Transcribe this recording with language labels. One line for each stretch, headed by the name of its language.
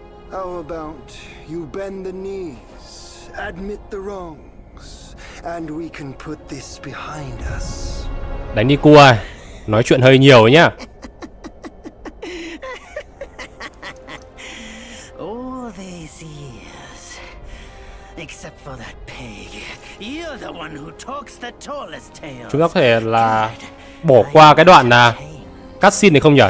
English: How about you bend the knees, admit the wrongs, and we can put this behind us.
Vietnamese: Đánh đi cu à, nói chuyện hơi nhiều nhá.
English: All these years, except for that pig, you're the one who talks the tallest tales.
Vietnamese: Chúng ta có thể là bỏ qua cái đoạn là cutscene này không nhỉ?